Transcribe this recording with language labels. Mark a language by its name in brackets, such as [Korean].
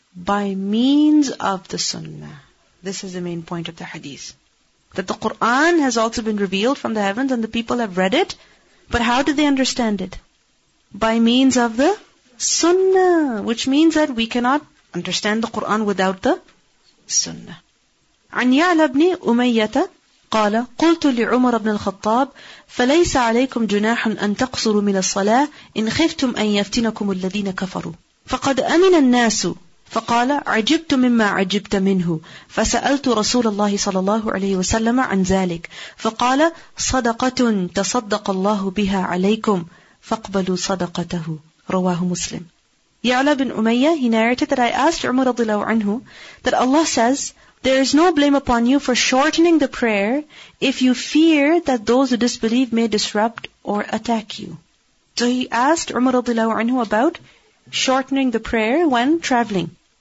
[English] By means of the sunnah. This is the main point of the hadith. That the Qur'an has also been revealed from the heavens and the people have read it But how did they understand it? By means of the sunnah, which means that we cannot understand the Quran without the sunnah. [Arabic] عن يعلى بن أمية قال قلت لعمر بن الخطاب فليس عليكم جناح أن تقصروا من الصلاة إن خفتم أن يفتنكم الذين كفروا فقد أمن الناس فقال عجبت مما عجبت منه فسألت رسول الله صلى الله عليه وسلم عن ذلك فقال صدقة تصدق الله بها عليكم فاقبلوا صدقته رواه مسلم. [English] يعلى بن أمية, he narrated that I asked عمر [Arabic] رضي الله عنه [English] that Allah says there is no blame upon you for shortening the prayer if you fear that those who disbelieve may disrupt or attack you. So he asked Umar radiallahu anhu about shortening the prayer when traveling.